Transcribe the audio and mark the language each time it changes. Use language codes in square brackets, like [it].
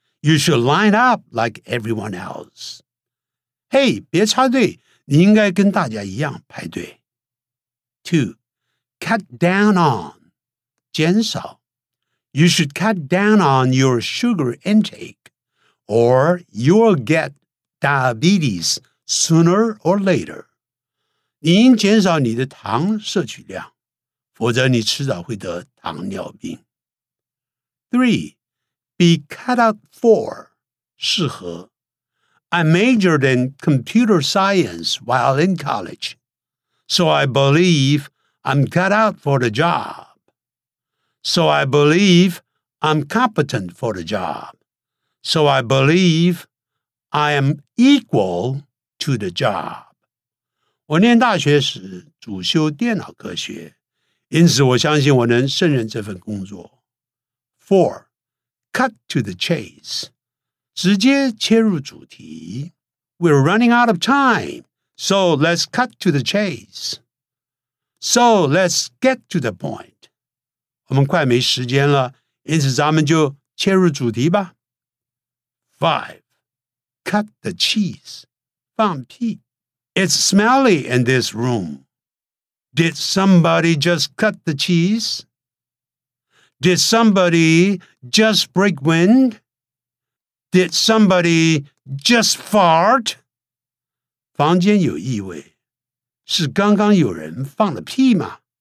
[en] You should line up like everyone else. [zh] Hey, 别插队。你应该跟大家一样排队。 [en] 2. Cut down on. [zh] 减少。 [en] You should cut down on your sugar intake, or you'll get diabetes sooner or later. [zh] 你应减少你的糖摄取量。否则你迟早会得糖尿病。3. [en] Be cut out for. [zh] 适合。 [en] I majored in computer science while in college, so I believe I'm cut out for the job. So I believe I'm competent for the job. So I believe I am equal to the job. [zh] 我念大学时主修电脑科学。因此我相信我能胜任这份工作。 [en] 4. Cut to the chase. [zh] 直接切入主题。 [en] We're running out of time, so let's cut to the chase. So let's get to the point. [zh] 我们快没时间了，因此咱们就切入主题吧。 [en] 5. Cut the cheese. [zh] 放屁。 [en] It's smelly in this room. Did somebody just cut the cheese? Did somebody just break wind? Did somebody just fart? [zh] 房间有异味，是刚刚有人放了屁吗？